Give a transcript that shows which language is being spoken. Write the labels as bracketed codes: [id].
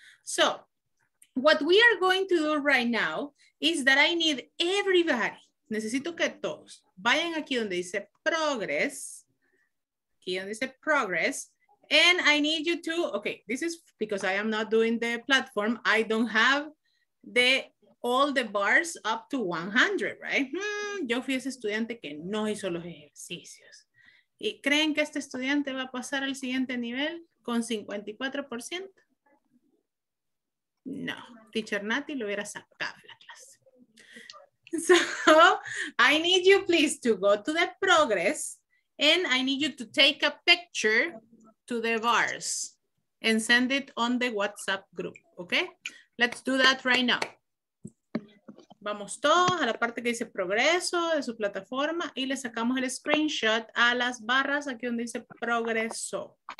[en] So what we are going to do right now is that I need everybody. [es] Necesito que todos vayan aquí donde dice progress. Aquí donde dice progress. [en] And I need you to, okay, this is because I am not doing the platform. I don't have the all the bars up to 100, right? [es] Yo fui ese estudiante que no hizo los ejercicios. ¿Y creen que este estudiante va a pasar al siguiente nivel con 54%? No, teacher Nati lo hubiera sacado la clase. [en] So I need you please to go to the progress and I need you to take a picture to the bars and send it on the WhatsApp group, okay? Let's do that right now. [es] Vamos todos a la parte que dice progreso de su plataforma y le sacamos el screenshot a las barras aquí donde dice progreso.